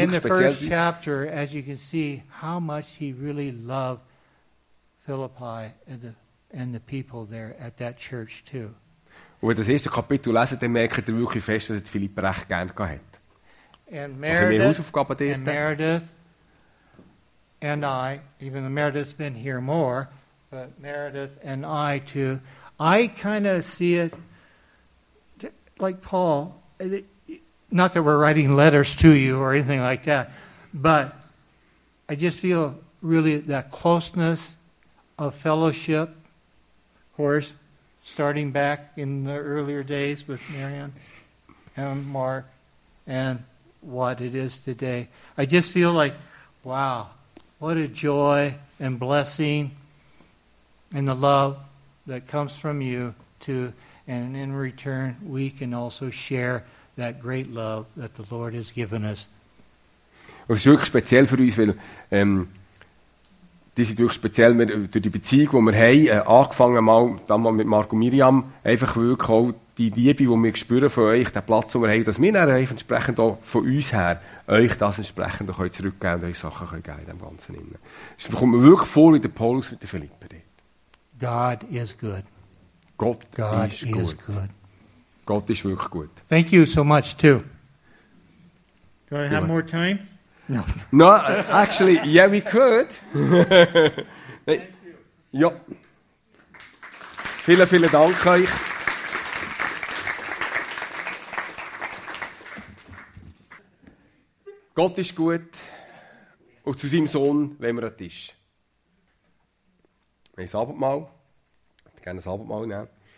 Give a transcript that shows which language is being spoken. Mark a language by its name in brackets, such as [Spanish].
[English] in the first chapter, as you can see, how much he really loved Philippi and the and the people there at that church too. [German] Und wenn ihr das erste Kapitel lesen, dann merkt ihr wirklich fest, dass Philipp recht gern gehabt hat. [English] And Meredith and I, even though Meredith's been here more, but Meredith and I too, I kind of see it like Paul, not that we're writing letters to you or anything like that, but I just feel really that closeness of fellowship, of course, starting back in the earlier days with Marianne and Mark and what it is today. I just feel like, wow, what a joy and blessing and the love that comes from you too. And in return, we can also share that great love that the Lord has given us. [German] Es ist wirklich speziell für uns, weil die sind wirklich speziell durch die Beziehung, die wir haben, angefangen mal damals mit Marc und Miriam, einfach wirklich auch die Liebe, die wir spüren von euch, den Platz, den wir haben, dass wir dann entsprechend auch von uns her euch das entsprechend auch zurückgeben und euch Sachen geben können in dem Ganzen. Es kommt mir wirklich vor wie der Paulus mit der Philippe. [English] God is good. God is good. God is [German] wirklich gut. [English] Thank you so much, too. Do I have more time? No. No, actually, yeah, we could. Thank you. Ja. [German] Vielen, vielen Dank euch. Gott ist gut. Und zu seinem Sohn, wenn wir an den Tisch. Wir haben Abendmahl. Wir gerne das Abendmahl nehmen.